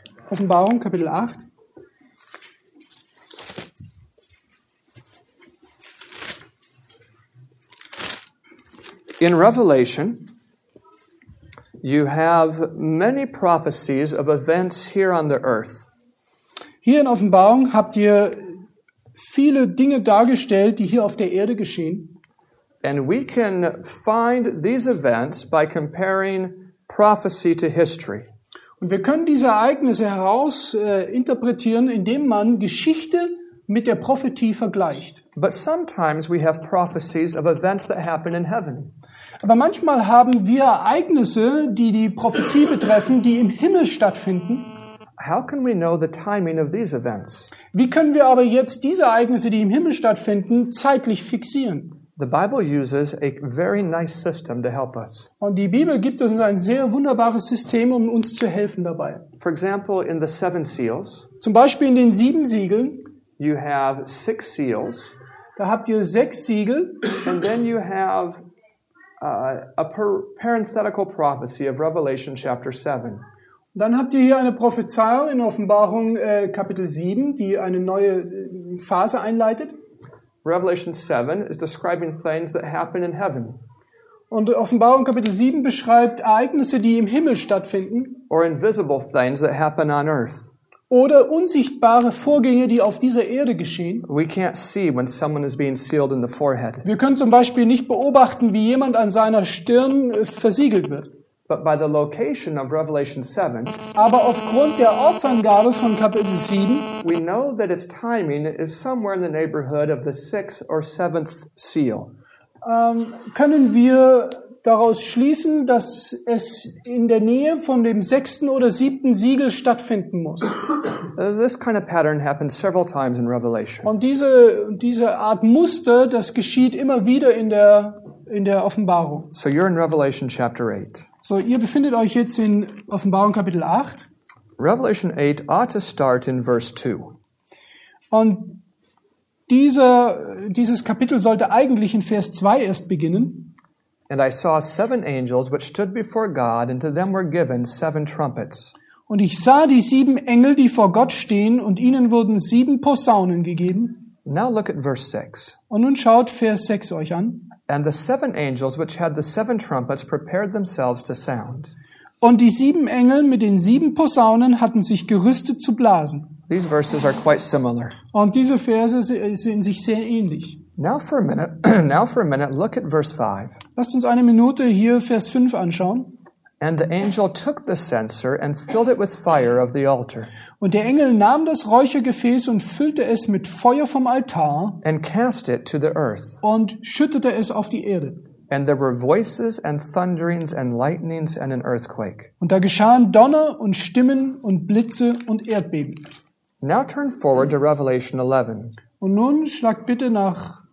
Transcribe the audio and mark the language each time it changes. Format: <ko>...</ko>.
<de>Offenbarung Kapitel 8.</de> <en>In Revelation you have many prophecies of events here on the earth.</en> <de>Hier in Offenbarung habt ihr viele Dinge dargestellt, die hier auf der Erde geschehen.</de> <en>And we can find these events by comparing prophecy to history.</en> <de>Und wir können diese Ereignisse heraus interpretieren, indem man Geschichte mit der Prophetie vergleicht.</de> <en>But sometimes we have prophecies of events that happen in heaven.</en> <de>Aber manchmal haben wir Ereignisse, die die Prophetie betreffen, die im Himmel stattfinden.</de> <en>How can we know the timing of these events?</en> <de>Wie können wir aber jetzt diese Ereignisse, die im Himmel stattfinden, zeitlich fixieren?</de> <en>The Bible uses a very nice system to help us.</en> <de>Und die Bibel gibt uns ein sehr wunderbares System, um uns zu helfen dabei.</de> <en>For example, in the seven seals,</en> <de>zum Beispiel in den sieben Siegeln,</de> <en>you have six seals,</en> <de>da habt ihr sechs Siegel,</de> <en>and then you have a parenthetical prophecy of Revelation chapter 7.</en> <de>Dann habt ihr hier eine Prophezeiung in Offenbarung Kapitel 7, die eine neue Phase einleitet.</de> <en>Revelation 7 is describing things that happen in heaven.</en> <de>Und Offenbarung Kapitel 7 beschreibt Ereignisse, die im Himmel stattfinden.</de> <en>Or invisible things that happen on earth.</en> <de>Oder unsichtbare Vorgänge, die auf dieser Erde geschehen.</de> <en>We can't see when someone is being sealed in the forehead.</en> <de>Wir können zum Beispiel nicht beobachten, wie jemand an seiner Stirn versiegelt wird.</de> <en>But by the location of Revelation 7,</en> <de>aber aufgrund der Ortsangabe von Kapitel 7,</de> <en>we know that its timing is somewhere in the neighborhood of the sixth or seventh seal.</en> <de>Können wir daraus schließen, dass es in der Nähe von dem sechsten oder siebten Siegel stattfinden muss?</de> <en>This kind of pattern happens several times in Revelation.</en> <de>Und diese Art Muster, das geschieht immer wieder in der Offenbarung.</de> <en>So you're in Revelation chapter 8.</en> <de>So, ihr befindet euch jetzt in Offenbarung Kapitel 8.</de> <en>Revelation 8 ought to start in verse 2.</en> <de>Und dieses Kapitel sollte eigentlich in Vers 2 erst beginnen.</de> <en>And I saw seven angels which stood before God, and to them were given seven trumpets.</en> <de>Und ich sah die sieben Engel, die vor Gott stehen, und ihnen wurden sieben Posaunen gegeben.</de> <en>Now look at verse 6.</en> <de>Und nun schaut Vers 6 euch an.</de> <en>And the seven angels which had the seven trumpets prepared themselves to sound.</en> <de>Und die sieben Engel mit den sieben Posaunen hatten sich gerüstet zu blasen.</de> <en>These verses are quite similar.</en> <de>Und diese Verse sind sich sehr ähnlich.</de> <en>Now for a minute, look at verse 5.</en> <de>Lasst uns eine Minute hier Vers 5 anschauen.</de> <en>And the angel took the censer and filled it with fire of the altar.</en> <de>Und der Engel nahm das Räuchergefäß und füllte es mit Feuer vom Altar.</de> <en>And cast it to the earth.</en> <de>Und schüttete es auf die Erde.</de> <en>And there were voices and thunderings and lightnings and an earthquake.</en> <de>Und da geschahen Donner und Stimmen und Blitze und Erdbeben.</de> <en>Now turn forward to Revelation 11.</en> <de>Und nun schlag bitte nach</de>